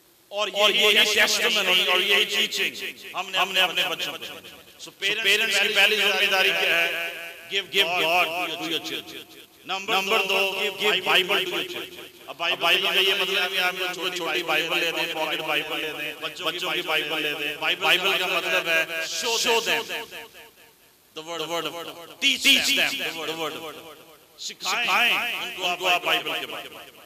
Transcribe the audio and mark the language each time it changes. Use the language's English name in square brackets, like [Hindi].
[Hindi] और यही testimony और यही teaching हमने अपने बच्चों को। So parents की पहली जिम्मेदारी क्या है? [English] Give God to your children. Number दो, give Bible to your children. [Hindi] Bible का ये मतलब है कि आप छोटी बाइबल ले दें, पॉकेट बाइबल ले दें, बच्चों की बाइबल ले दें। बाइबल का मतलब है शो दें the word of God, [English] teach them the word of God, [Hindi] सिखाएं उनको आप बाइबल के बारे में।